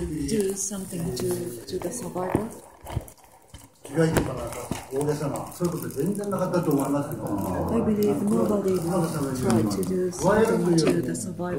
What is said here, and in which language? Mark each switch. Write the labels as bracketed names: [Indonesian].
[English] Do something to the survivor? [Japanese] 被害とかなんか大げさな、そういうこと全然なかったと思いますけど、 [English] ね、I believe nobody would try to do something to the survivor.